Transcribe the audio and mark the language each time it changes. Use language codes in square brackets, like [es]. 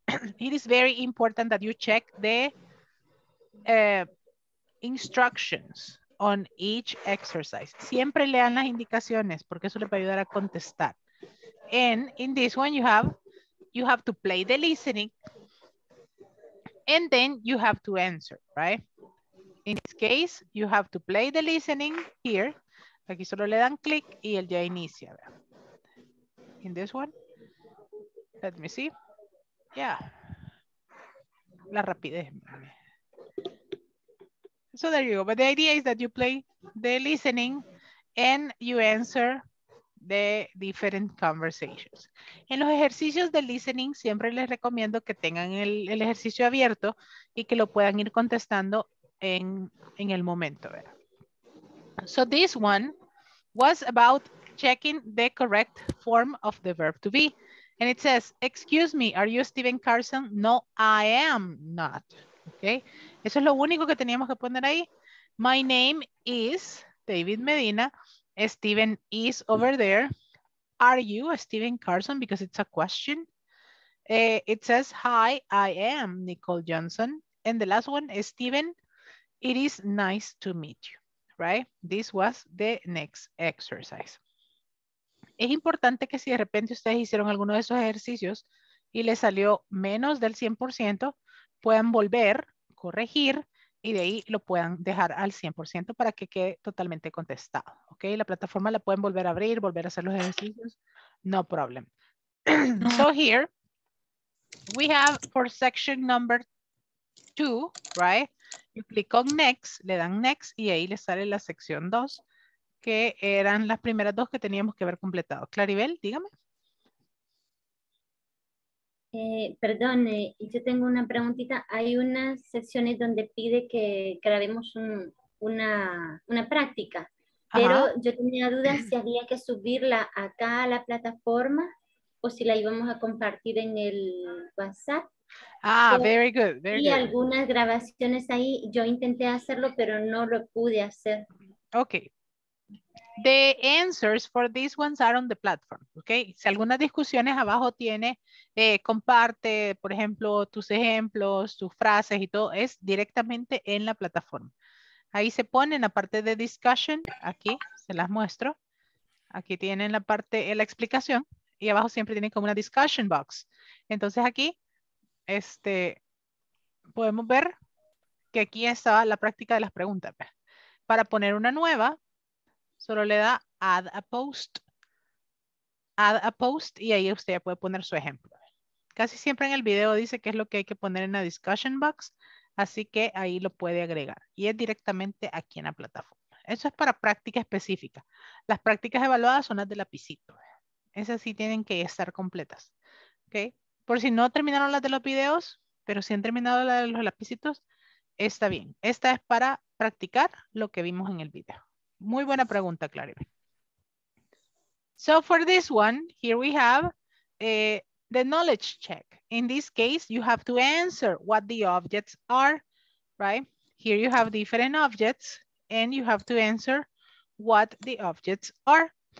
[en] It is very important that you check the instructions on each exercise. [es] Siempre lean las indicaciones porque eso le va a ayudar a contestar. [en] And in this one, you have to play the listening. And then you have to answer, right? In this case, you have to play the listening here. [es] Aquí solo le dan click y él ya inicia. [en] In this one, let me see. Yeah. [es] La rapidez. [en] So there you go. But the idea is that you play the listening and you answer the different conversations. [es] En los ejercicios de listening, siempre les recomiendo que tengan el ejercicio abierto y que lo puedan ir contestando en el momento. [en] So this one was about checking the correct form of the verb to be. And it says, excuse me, are you Steven Carson? No, I am not. Okay. [es] Eso es lo único que teníamos que poner ahí. [en] My name is David Medina. Steven is over there. Are you Steven Carson? Because it's a question. It says, hi, I am Nicole Johnson. And the last one, Steven, it is nice to meet you. Right? This was the next exercise. [es] Es importante que si de repente ustedes hicieron alguno de esos ejercicios y les salió menos del 100%, puedan volver, corregir, y de ahí lo puedan dejar al 100% para que quede totalmente contestado. ¿Ok? La plataforma la pueden volver a abrir, volver a hacer los ejercicios. [en] No problem. So here, we have for section number 2, right? You click on next, [es] le dan next, y ahí le sale la sección 2, que eran las primeras dos que teníamos que haber completado. Claribel, dígame. Perdón, yo tengo una preguntita. Hay unas secciones donde pide que grabemos una práctica. Ajá. Pero yo tenía dudas si había que subirla acá a la plataforma o si la íbamos a compartir en el WhatsApp. [en] Ah, very good, very good. [es] Y algunas grabaciones ahí, yo intenté hacerlo, pero no lo pude hacer. [en] Okay. The answers for these ones are on the platform, okay? [es] Si algunas discusiones abajo tiene, comparte, por ejemplo, tus ejemplos, tus frases y todo, es directamente en la plataforma. Ahí se pone en la parte de discussion, aquí se las muestro. Aquí tienen la parte, la explicación, y abajo siempre tienen como una discussion box. Entonces aquí, podemos ver que aquí estaba la práctica de las preguntas. Para poner una nueva, solo le da add a post. Add a post y ahí usted ya puede poner su ejemplo. Casi siempre en el video dice qué es lo que hay que poner en la discussion box. Así que ahí lo puede agregar. Y es directamente aquí en la plataforma. Eso es para práctica específica. Las prácticas evaluadas son las de lapicito. Esas sí tienen que estar completas. ¿Okay? Por si no terminaron las de los videos, pero si han terminado las de los lapicitos, está bien. Esta es para practicar lo que vimos en el video. Muy buena pregunta, Claribel. [en] So for this one, here we have the knowledge check. In this case, you have to answer what the objects are, right? Here you have different objects and you have to answer what the objects are.